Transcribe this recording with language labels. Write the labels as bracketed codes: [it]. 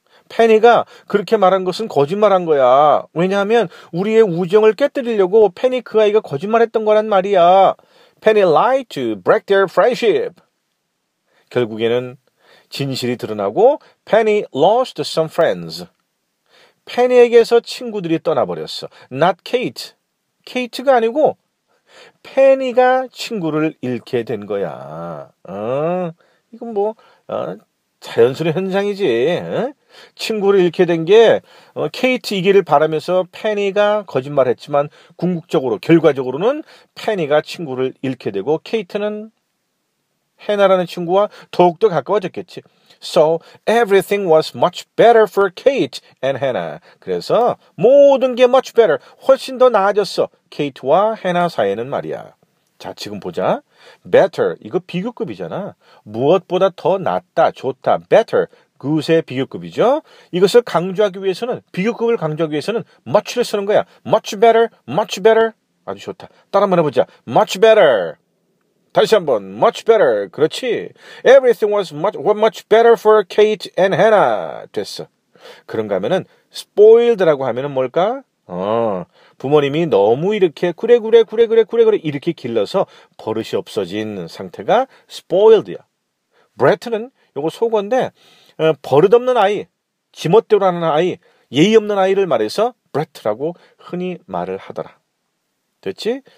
[ko] 페니가 그렇게 말한 것은 거짓말한 거야. 왜냐하면 우리의 우정을 깨뜨리려고 페니 그 아이가 거짓말했던 거란 말이야. [en] Penny lied to break their friendship. [ko] 결국에는 진실이 드러나고 [en] Penny lost some friends. [ko] 페니에게서 친구들이 떠나버렸어. [en] Not Kate. [ko] 케이트가 아니고 페니가 친구를 잃게 된 거야. 이건 뭐 자연스러운 현상이지. 친구를 잃게 된 게 케이트 이기를 바라면서 페니가 거짓말했지만 궁극적으로 결과적으로는 페니가 친구를 잃게 되고 케이트는 헤나라는 친구와 더욱더 가까워졌겠지. [en] So everything was much better for Kate and Hannah. [ko] 그래서 모든 게 [en] much better. [ko] 훨씬 더 나아졌어. 케이트와 헤나 사이에는 말이야. 자, 지금 보자. Better. 이거 비교급이잖아. 무엇보다 더 낫다, 좋다. Better. 굿의 비교급이죠. 이것을 강조하기 위해서는, 비교급을 강조하기 위해서는 much를 쓰는 거야. [en] Much better. Much better. [ko] 아주 좋다. 따라 한번 해보자. [en] Much better. [ko] 다시 한번 [en] much better. [ko] 그렇지. [en] Everything was much better for Kate and Hannah. [ko] 됐어. 그런가 하면은 spoiled라고 하면은 뭘까? 부모님이 너무 이렇게 그래 이렇게 길러서 버릇이 없어진 상태가 spoiled야. Brett는 요거 속어인데 버릇 없는 아이, 지멋대로라는 아이, 예의 없는 아이를 말해서 Brett라고 흔히 말을 하더라. 됐지?